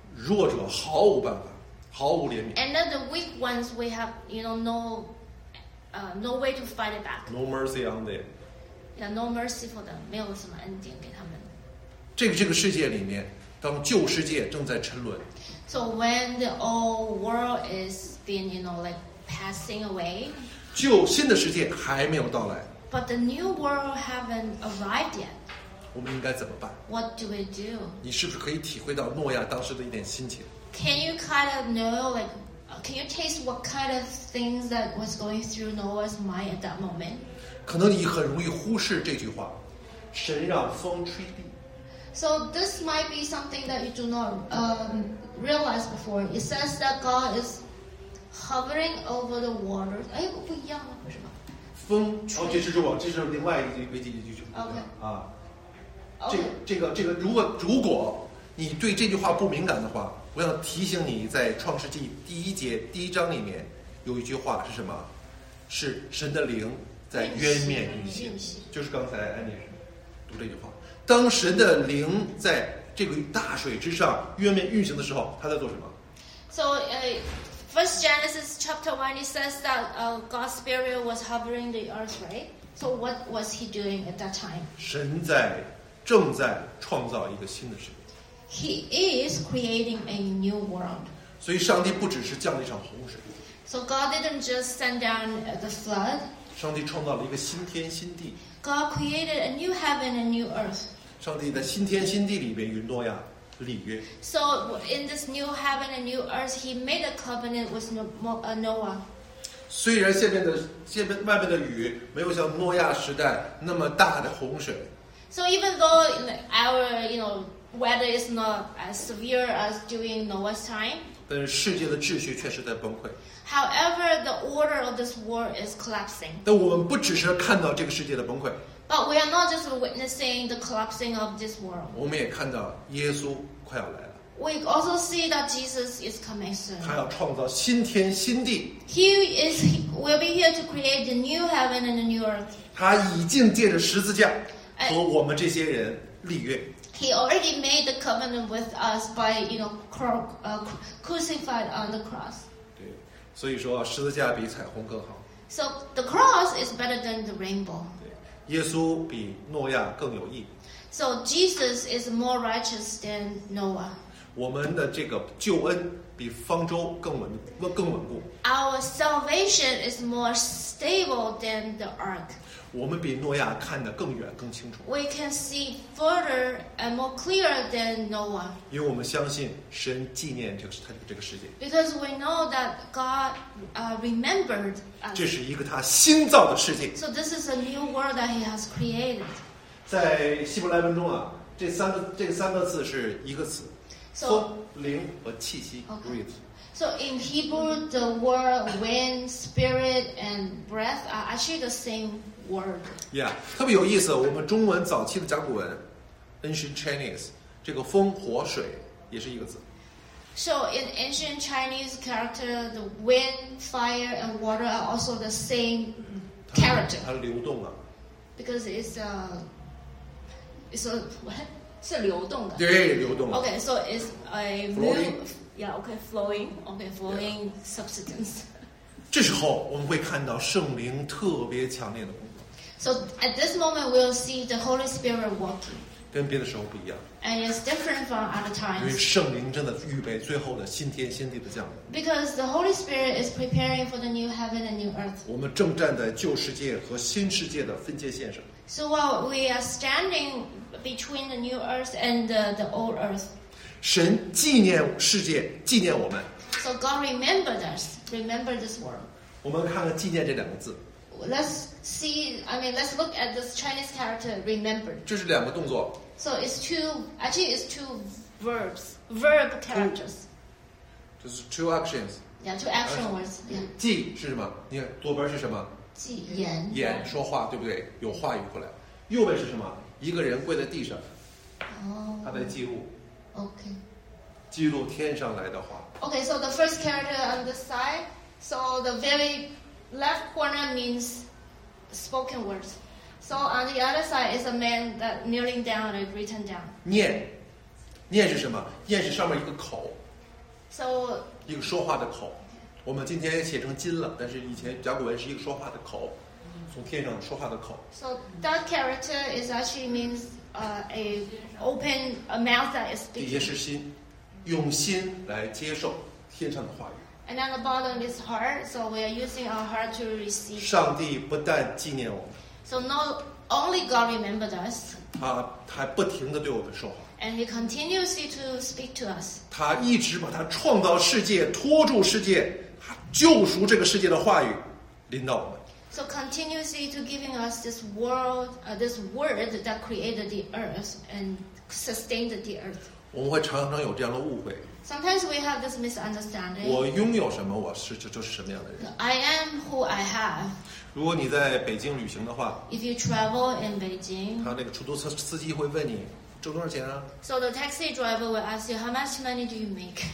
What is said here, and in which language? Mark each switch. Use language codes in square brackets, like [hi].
[zh] 弱者毫无办法。毫无怜悯。 [en] And then the weak ones, we have, you know, no way to fight it back. No mercy on them. Yeah, no mercy for them. [zh] 没有什么恩典给他们。这个世界里面，当旧世界正在沉沦。 [en] So when the old world is being, you know, like passing away. [zh] 旧新的世界还没有到来。 [en] But the new world haven't arrived yet. [zh] 我们应该怎么办 [en] ？What do we do? [zh] 你是不是可以体会到诺亚当时的一点心情？ [en] Can you kind of know, like, can you taste what kind of things that was going through Noah's mind at that moment? [zh] 可能你很容易忽视这句话，神让风吹地。 [en] So this might be something that you do not realize before. It says that God is hovering over the waters. [zh] 哎，不一样吗？为什么？风吹。哦，这是另外一句。 [en] Okay. 啊。 Okay. [zh] 这个，如果你对这句话不敏感的话。我要提醒你，在创世纪第一节第一章里面有一句话是什么？是神的灵在渊面运行，就是刚才安妮读这句话。当神的灵在这个大水之上渊面运行的时候，他在做什么 [en] ？So, first Genesis chapter 1, it says that God's spirit was hovering the earth, right? So, what was he doing at that time? [zh] 神正在创造一个新的世界。 [en] He is creating a new world. [zh] 所以上帝不只是降了一场洪水。 [en] So God didn't just send down the flood. [zh] 上帝创造了一个新天新地。 [en] God created a new heaven and new earth. [zh] 上帝在新天新地里面与诺亚立约。 [en] So in this new heaven and new earth, He made a covenant with Noah. [zh] 虽然下面外面的雨没有像诺亚时代那么大的洪水。 [en] So even though our, you know,Weather is not as severe as during Noah's time. [zh] 但是世界的秩序确实在崩溃。 [en] However, the order of this world is collapsing. [zh] 但我们不只是看到这个世界的崩溃。 [en] But we are not just witnessing the collapsing of this world. [zh] 我们也看到耶稣快要来了。 [en] We also see that Jesus is coming soon. [zh] 他要创造新天新地。 [en] He will be here to create the new heaven and the new earth. [zh] 他已经借着十字架和我们这些人立约。 [en] He already made the covenant with us by, you know, crucified on the cross. [zh] 对，所以说十字架比彩虹更好。 [en] So the cross is better than the rainbow. [zh] 对，耶稣比诺亚更有义。 [en] So Jesus is more righteous than Noah. [zh] 我们的这个救恩比方舟更稳固。 [en] Our salvation is more stable than the ark. [zh] 我们比诺亚看得更远更清楚。 [en] We can see further and more clear than Noah. [zh] 因为我们相信神纪念这个世界。 [en] Because we know that God remembered. [zh] 这是一个他新造的世界。 [en] So this is a new world that he has created. [zh] 在希伯来文中啊，这三个字是一个词。 [en] So, [zh] 灵和气息 [en] breath. So in Hebrew, the word wind, spirit, and breath are actually the same word. [zh] Yeah, 特别有意思。我们中文早期的甲骨文 [en] ancient Chinese, [zh] 这个风、火、水也是一个字。 [en] So in ancient Chinese character, the wind, fire, and water are also the same character. [zh] 它流动啊。 [en] Because it's a what? [zh] 是流动的，对，流动 [en] 的。Okay, so it's a flowing. Yeah, okay, flowing. Okay, flowing substance. [zh] 这时候我们会看到圣灵特别强烈的工作。 [en] So at this moment, we'll see the Holy Spirit working. [zh] 跟别的时候不一样。 [en] And it's different from other times. [zh] 因为圣灵正在预备最后的新天新地的降临。 [en] Because the Holy Spirit is preparing for the new heaven and new earth. [zh] 我们正站在旧世界和新世界的分界线上。 [en] So while we are standing between the new earth and the old earth, [zh] 神纪念世界，纪念我们。 [en] So God remembered us, remember this world. [zh] 我们看看纪念这两个字。 [en] Let's look at this Chinese character, remember. [zh] 这是两个动作。 [en] So it's two verbs, verb characters. [zh] 就是 [en] two actions. Yeah, two action words. [zh] 纪、 [en] yeah. [zh] 是什么？你看左边是什么？言言说话，对不对？有话语出来。右边是什么？一个人跪在地上，他在记录。 [en] OK， [zh] 记录天上来的话。 [en] OK， so the first character on the side, so the very left corner means spoken words. So on the other side is a man that kneeling down and written down. [zh] 念，念是什么？念是上面一个口。 [en] So [zh] 一个说话的口。我们今天写成金了，但是以前甲骨文是一个说话的口，从天上说话的口。 [en] So that character is actually means a open a mouth that is speaking. [zh] 底下是心，用心来接受天上的话语。 [en] And on the bottom is heart, so we are using our heart to receive. [zh] 上帝不但纪念我们。 [en] So not only God remembered us. [zh] 他还不停地对我们说话。 [en] And he continuously to speak to us. [zh] 他一直把他创造世界托住世界。救赎这个世界的话语临到我们。 [en] So continuously to giving us this world, this word that created the earth and sustained the earth. [zh] 我们会常常有这样的误会。 [en] Sometimes we have this misunderstanding. [zh] 我拥有什么，我是就是什么样的人。 [en] I am who I have. [zh] 如果你在北京旅行的话 [en] ，If you travel in Beijing, [zh] 他那个出租车司机会问你。挣多少钱啊 [en] ？So the taxi driver will ask you, how much money do you make?